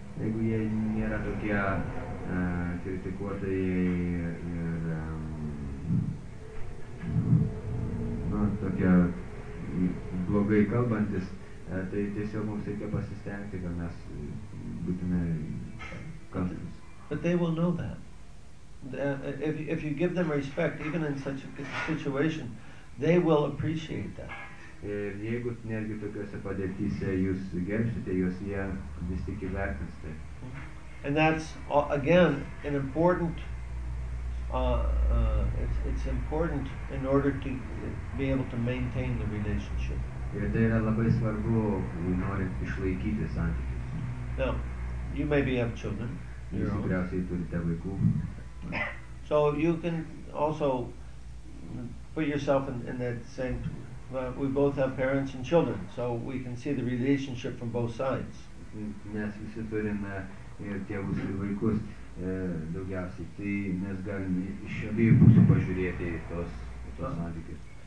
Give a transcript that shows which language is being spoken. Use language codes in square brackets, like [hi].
[lt] Jeigu jie nėra tokie kritikuotojai ir tokie blogai kalbantis, tai tiesiog mums reikia pasistengti, kad mes būtume kantrus. [en] But they will know that. If you give them respect, even in such a situation, they will appreciate that. [lt] Ir jeigu netgi tokiose padėtyse jūs gerbsite juos, jie vis tik įvertins tai. [en] And that's, again, an important, it's important in order to be able to maintain the relationship. [lt] Ir tai yra labai svarbu, norint išlaikyti santykius. [en] Now, you maybe have children. [lt] Jūs tikriausiai turite vaikų. [en] So you can also put yourself in that same, we both have parents and children, so we can see the relationship from both sides. [lt] Mes visi turime ir tėvus ir vaikus daugiausiai, tai mes galime iš abiejų pusių pažiūrėti tos santykius.